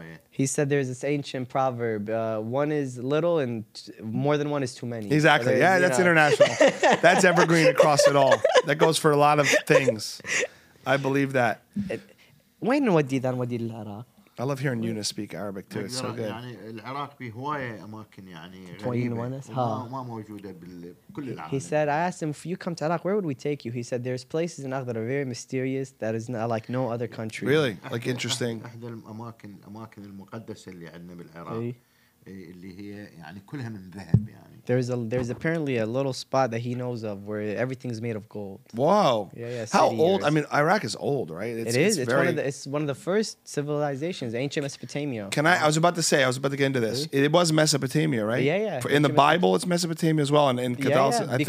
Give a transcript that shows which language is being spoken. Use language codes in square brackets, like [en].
[en] He said there's this ancient proverb. One is little and more than one is too many. Exactly. Yeah, that's international. That's evergreen across it all. That goes for a lot of things. I believe that. When was it done with Iraq? I love hearing Younis speak Arabic too. It's so good. [ar] يعني العراق فيه هواية أماكن يعني ما موجودة بكل العالم. [en] He said, I asked him, if you come to Iraq, where would we take you? He said, there's places in Iraq that are very mysterious, that is not like no other country. Really? Like interesting. [ar] أحد الأماكن المقدسة اللي عندنا بالعراق اللي هي يعني كلها من ذهب يعني. [en] There's apparently a little spot that he knows of where everything's made of gold. Wow. Yeah, how old? I mean, Iraq is old, right? It's one of the first civilizations, ancient Mesopotamia. I was about to get into this. It was Mesopotamia, right? Yeah. In the Bible, it's Mesopotamia as well, and in Catholicism, I think.